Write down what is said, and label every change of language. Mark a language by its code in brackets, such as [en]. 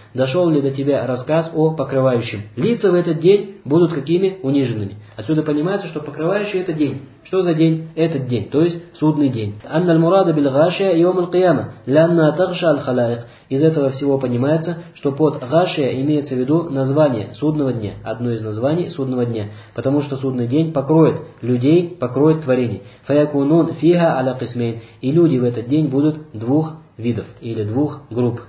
[ru] Дошел ли до тебя рассказ о покрывающем? Лица в этот день будут какими? Униженными. Отсюда понимается, что покрывающий — это день. Что за день? Этот день, то есть судный день. [ar] أن المراد بالغاشية يوم القيامة لأنها تغشى الخلائق. [ru] Из этого всего понимается, что под «гашия» имеется в виду название судного дня, одно из названий судного дня, потому что судный день покроет людей, покроет творение. «Фаякунун фига аля кисмейн» и люди в этот день будут двух видов или двух групп.